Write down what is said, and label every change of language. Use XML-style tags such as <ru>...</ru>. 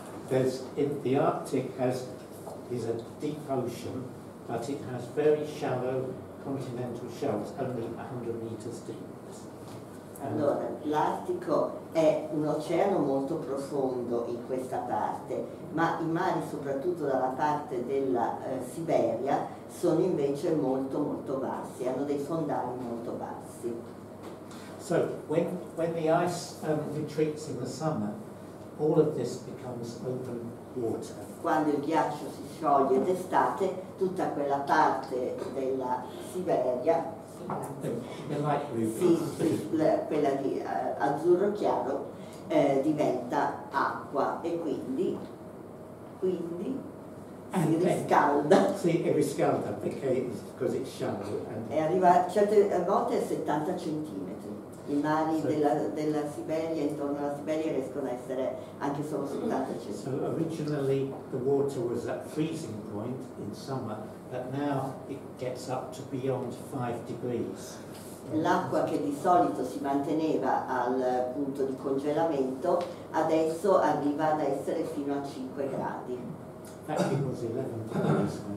<en>The Arctic is a deep ocean, but it has very shallow continental shelves, only 100 meters deep.</en> <it>Allora, l'Artico è un oceano molto profondo in questa parte, ma i mari, soprattutto dalla parte della Siberia, sono invece molto molto bassi, hanno dei fondali molto bassi.</it> <en>So when the ice retreats in the summer, all of this becomes open water.</en> <it>Quando il ghiaccio si scioglie d'estate, tutta quella parte della Siberia, quella di azzurro chiaro, diventa acqua e quindi si riscalda. Sì, si riscalda perché è così shallow. È arrivato, certe volte a 70 centimetri. i mari della Siberia, intorno alla Siberia, riescono a essere anche solo su 80 centimetri.</it> <en>So originally the water was at freezing point in summer, but now it gets up to beyond 5 degrees.</en> <it>L'acqua che di solito si manteneva al punto di congelamento adesso arriva ad essere fino a 5 gradi.</it>